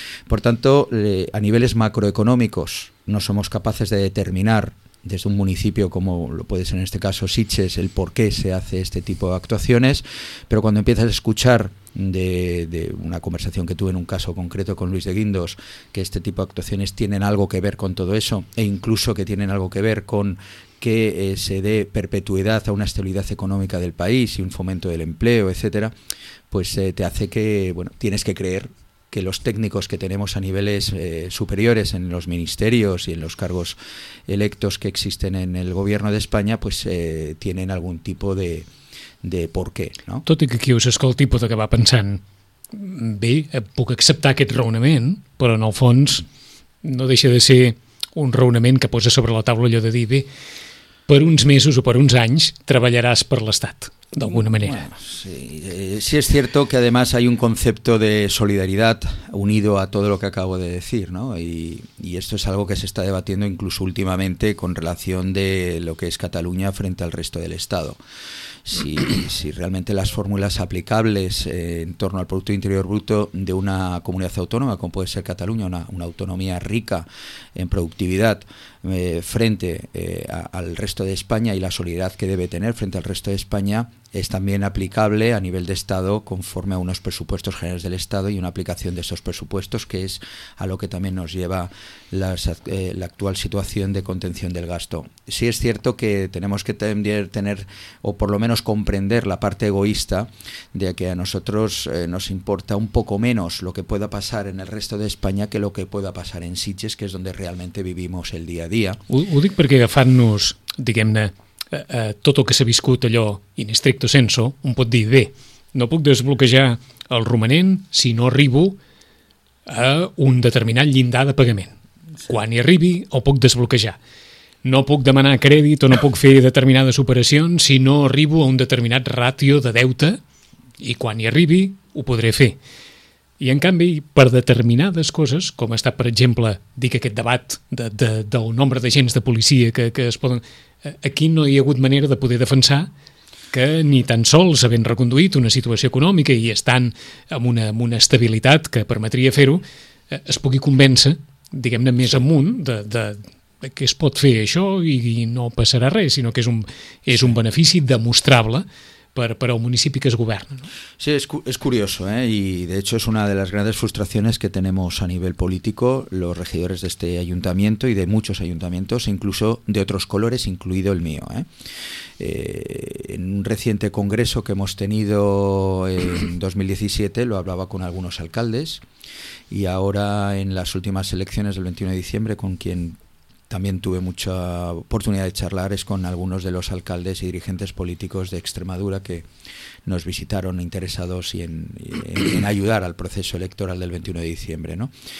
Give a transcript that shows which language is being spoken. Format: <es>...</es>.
<es>Por tanto, a niveles macroeconómicos no somos capaces de determinar desde un municipio como lo puede ser en este caso Sitges el por qué se hace este tipo de actuaciones, pero cuando empiezas a escuchar de una conversación que tuve en un caso concreto con Luis de Guindos, que este tipo de actuaciones tienen algo que ver con todo eso e incluso que tienen algo que ver con que se dé perpetuidad a una estabilidad económica del país y un fomento del empleo, etcétera, pues te hace que, bueno, tienes que creer que los técnicos que tenemos a niveles superiores en los ministerios y en los cargos electos que existen en el gobierno de España pues tienen algún tipo de por què, no?</es> <ca>Tot i que aquí us escolti pot acabar pensant bé, puc acceptar aquest raonament, però en el fons no deixa de ser un raonament que posa sobre la taula allò de dir bé, per uns mesos o per uns anys treballaràs per l'Estat, d'alguna manera.</ca> <es>Bueno, sí. Sí es cierto que además hay un concepto de solidaridad unido a todo lo que acabo de decir, ¿no? Y esto es algo que se está debatiendo incluso últimamente con relación de lo que es Cataluña frente al resto del Estado. Si realmente las fórmulas aplicables en torno al Producto Interior Bruto de una comunidad autónoma, como puede ser Cataluña, una autonomía rica en productividad, frente al resto de España y la solidaridad que debe tener frente al resto de España, es también aplicable a nivel de Estado conforme a unos presupuestos generales del Estado y una aplicación de esos presupuestos, que es a lo que también nos lleva la actual situación de contención del gasto. Sí es cierto que tenemos que tener, o por lo menos comprender, la parte egoísta de que a nosotros nos importa un poco menos lo que pueda pasar en el resto de España que lo que pueda pasar en Sitges, que es donde realmente vivimos el día a día.</es> <ca>Ho dic perquè agafant-nos, diguem-ne, tot el que s'ha viscut allò in stricto senso, un pot dir bé, no puc desbloquejar el romanent si no arribo a un determinat llindar de pagament. Sí. Quan hi arribi, el puc desbloquejar. No puc demanar crèdit o no puc fer determinades operacions si no arribo a un determinat ràtio de deute i quan hi arribi ho podré fer. I en canvi, per determinades coses, com està, per exemple, dic aquest debat del nombre d'agents de policia que es poden... Aquí no hi ha hagut manera de poder defensar que ni tan sols havent reconduït una situació econòmica i estant amb una estabilitat que permetria fer-ho, es pugui convèncer, diguem-ne, més amunt de que es pot fer això i no passarà res, sinó que és un benefici demostrable per al municipi que es governa, no?</ca> <es>Sí, és curioso, y de hecho es una de las grandes frustraciones que tenemos a nivel político los regidores de este ayuntamiento y de muchos ayuntamientos, incluso de otros colores, incluido el mío, En un reciente congreso que hemos tenido en 2017 lo hablaba con algunos alcaldes y ahora en las últimas elecciones del 21 de diciembre con quien también tuve mucha oportunidad de charlar es con algunos de los alcaldes y dirigentes políticos de Extremadura que nos visitaron interesados y en ayudar al proceso electoral del 21 de diciembre, ¿no?</es>